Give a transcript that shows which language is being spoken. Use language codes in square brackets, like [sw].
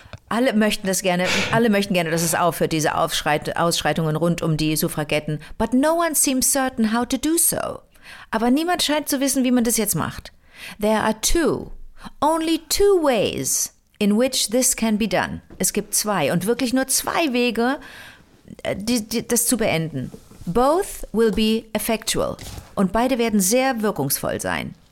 [de] Alle möchten gerne, dass es aufhört, diese Ausschreitungen rund um die Suffragetten. [en] But no one seems certain how to do so. [de] Aber niemand scheint zu wissen, wie man das jetzt macht. [en] There are two, only two ways in which this can be done. [de] Es gibt zwei und wirklich nur zwei Wege, das zu beenden. [en] Both will be effectual [de] und beide werden sehr wirkungsvoll sein.